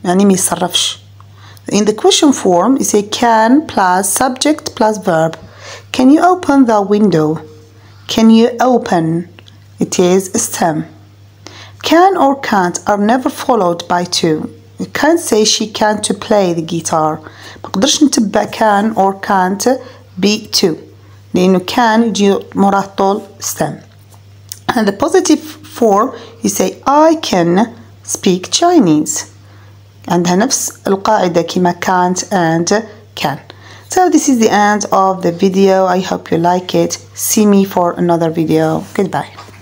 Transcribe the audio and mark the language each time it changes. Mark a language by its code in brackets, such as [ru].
[ar] يعني ما يصرفش. [en] In the question form, you say can plus subject plus verb. Can you open the window? Can you open? It is stem. Can or can't are never followed by two. You can't say she can't to play the guitar. [ar] ما قدرش نتبع can or can't be to. لأنه can يجي مراه طول stem. [en] And the positive form you say I can speak Chinese. [ar] عندها نفس القاعدة كما can't and can. [en] So this is the end of the video. I hope you like it. See me for another video. Goodbye.